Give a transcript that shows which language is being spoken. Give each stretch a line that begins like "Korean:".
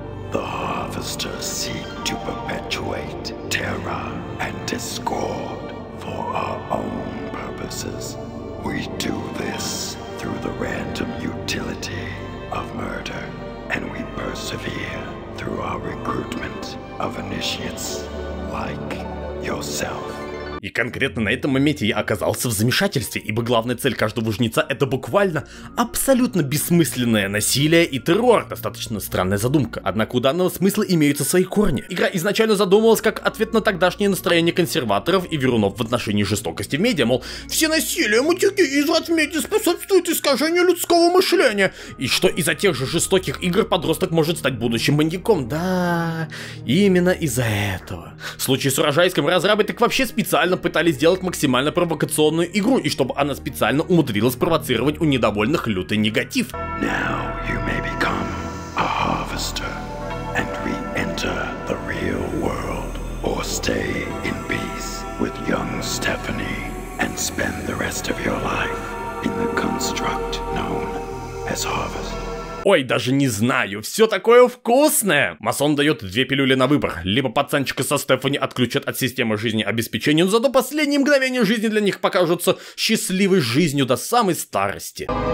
English: The Harvesters seek to perpetuate terror and discord for our own purposes. We do this through the random utility of murder, and we persevere through our recruitment of initiates like yourself.
Russian: И конкретно на этом моменте я оказался в замешательстве, ибо главная цель каждого жнеца — это буквально абсолютно бессмысленное насилие и террор. Достаточно странная задумка. Однако у данного смысла имеются свои корни. Игра изначально задумывалась как ответ на тогдашнее настроение консерваторов и верунов в отношении жестокости в медиа, мол, все насилие, мутики и изврат в медиа способствуют искажению людского мышления. И что из-за тех же жестоких игр подросток может стать будущим маньяком. Да, именно из-за этого. В случае с Урожайском разрабы так вообще специально пытались сделать максимально провокационную игру, и чтобы она специально умудрилась провоцировать у недовольных лютый негатив.
English: Now you may become a harvester and re-enter the real world, or stay in peace with young Stephanie and spend the rest of your life in the construct known as Harvest.
Russian: Ой, даже не знаю, все такое вкусное! Масон дает две пилюли на выбор. Либо пацанчика со Стефани отключат от системы жизнеобеспечения, но зато последние мгновения жизни для них покажутся счастливой жизнью до самой старости.